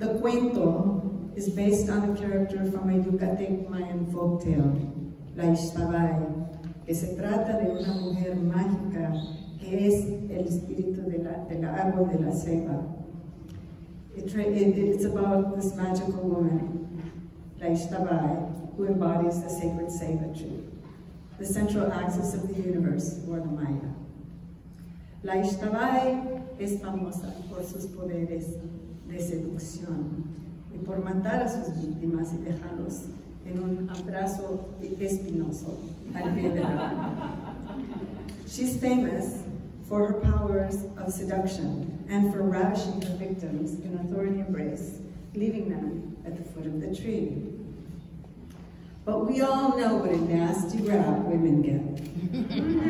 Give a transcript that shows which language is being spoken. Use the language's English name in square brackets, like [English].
[English] The cuento is based on a character from a Yucatec Mayan folktale, [Spanish] La Ixtabay, que se trata de una mujer mágica que es el espíritu del árbol de la ceiba. [English] It's about this magical woman, La Ixtabay, who embodies the sacred ceiba tree, the central axis of the universe for the Maya. [Spanish] La Ixtabay es famosa por sus poderes de seducción y por matar a sus víctimas y dejarlos en un abrazo espinoso al pie de la. [English] She's famous for her powers of seduction and for ravishing her victims in a thorny embrace, leaving them at the foot of the tree. But we all know what a nasty rap women get.